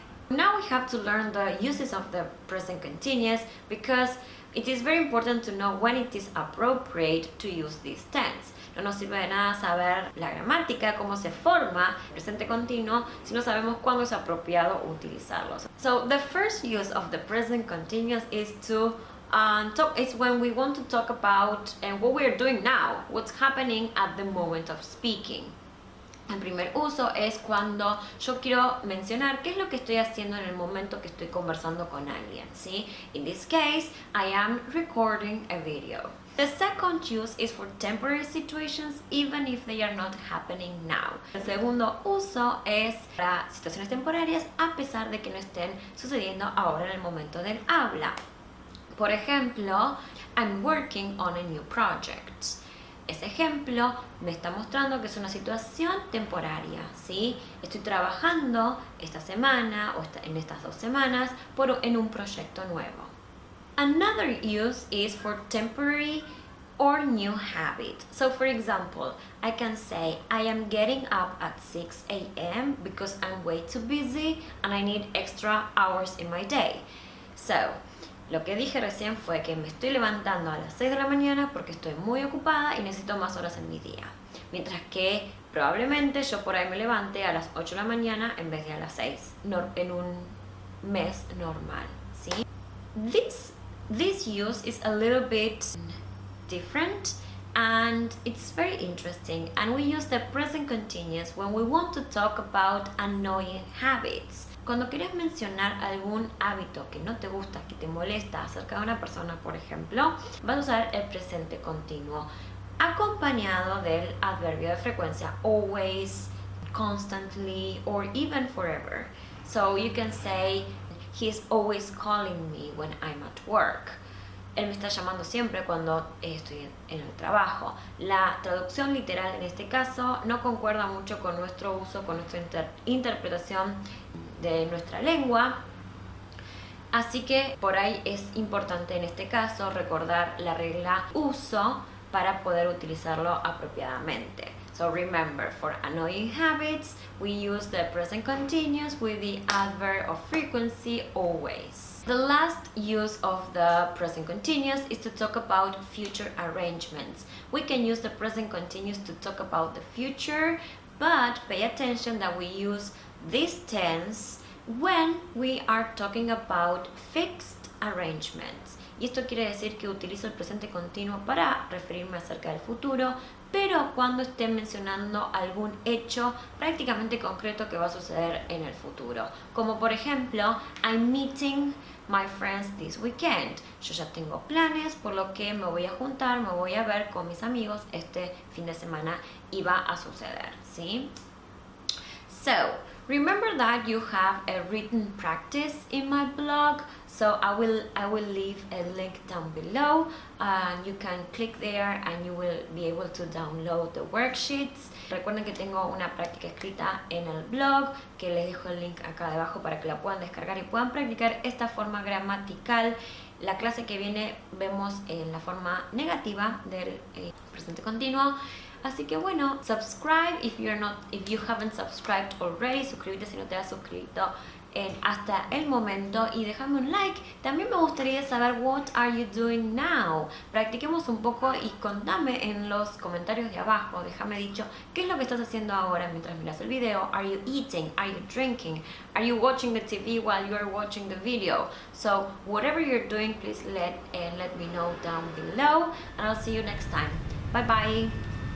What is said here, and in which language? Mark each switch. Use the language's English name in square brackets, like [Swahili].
[English] Now we have to learn the uses of the present continuous, because it is very important to know when it is appropriate to use this tense. [Spanish] No nos sirve de nada saber la gramática, cómo se forma el presente continuo, si no sabemos cuándo es apropiado utilizarlo. [English] So the first use of the present continuous is to is when we want to talk about what we are doing now, what's happening at the moment of speaking. [Spanish] El primer uso es cuando yo quiero mencionar qué es lo que estoy haciendo en el momento que estoy conversando con alguien, ¿sí? [English] In this case, I am recording a video. The second use is for temporary situations, even if they are not happening now. [Spanish] El segundo uso es para situaciones temporarias, a pesar de que no estén sucediendo ahora en el momento del habla. Por ejemplo, [English] I'm working on a new project. [Spanish] Ese ejemplo me está mostrando que es una situación temporaria, ¿sí? Estoy trabajando esta semana o en estas dos semanas en un proyecto nuevo. [English] Another use is for temporary or new habit. So for example, I can say I am getting up at 6 a.m. because I'm way too busy and I need extra hours in my day. [Spanish] So, lo que dije recién fue que me estoy levantando a las 6 de la mañana porque estoy muy ocupada y necesito más horas en mi día. Mientras que probablemente yo por ahí me levante a las 8 de la mañana en vez de a las 6 en un mes normal, ¿sí? [English] This use is a little bit different and it's very interesting. And we use the present continuous when we want to talk about annoying habits. [Spanish] Cuando quieres mencionar algún hábito que no te gusta, que te molesta acerca de una persona, por ejemplo, vas a usar el presente continuo acompañado del adverbio de frecuencia always, constantly, or even forever. [English] So you can say, he is always calling me when I'm at work. [Spanish] Él me está llamando siempre cuando estoy en el trabajo. La traducción literal en este caso no concuerda mucho con nuestro uso, con nuestra interpretación de nuestra lengua. Así que por ahí es importante en este caso recordar la regla uso para poder utilizarlo apropiadamente. [English] So remember, for annoying habits, we use the present continuous with the adverb of frequency always. The last use of the present continuous is to talk about future arrangements. We can use the present continuous to talk about the future, but pay attention that we use this tense when we are talking about fixed arrangements. [Spanish] Y esto quiere decir que utilizo el presente continuo para referirme acerca del futuro, pero cuando esté mencionando algún hecho prácticamente concreto que va a suceder en el futuro. Como por ejemplo, [English] I'm meeting my friends this weekend. [Spanish] Yo ya tengo planes, por lo que me voy a juntar, me voy a ver con mis amigos este fin de semana y va a suceder, ¿sí? [English] So, remember that you have a written practice in my blog, so I will leave a link down below and you can click there and you will be able to download the worksheets. [Spanish] Recuerden que tengo una práctica escrita en el blog, que les dejo el link acá debajo para que la puedan descargar y puedan practicar esta forma gramatical. La clase que viene vemos en la forma negativa del presente continuo. Así que bueno, [English] subscribe if you haven't subscribed already. [Spanish] Suscríbete si no te has suscrito hasta el momento y déjame un like. También me gustaría saber [English] what are you doing now. [Spanish] Practiquemos un poco y contame en los comentarios de abajo. Déjame dicho qué es lo que estás haciendo ahora mientras miras el video. [English] Are you eating? Are you drinking? Are you watching the TV while you are watching the video? So whatever you're doing, please let me know down below. And I'll see you next time. Bye bye.